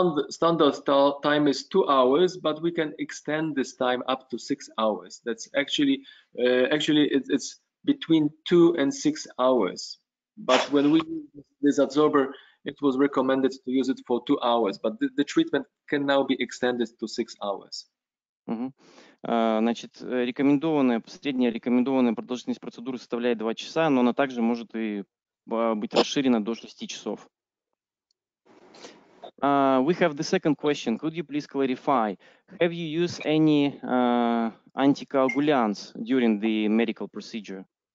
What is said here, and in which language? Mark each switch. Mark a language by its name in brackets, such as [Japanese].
[English] Standard time is 2 hours, but we can extend this time up to 6 hours. That's actually it's between 2 and 6 hours. But when we use this Adsorber, it was recommended to use it for 2 hours, but the treatment can now be extended to 6 hours. [Russian] Значит, средняя рекомендованная продолжительность процедуры составляет 2 часа, но она также может и быть расширена до 6 часов. [English] We have the second question. Could you please clarify, have you used any anticoagulants during the medical procedure?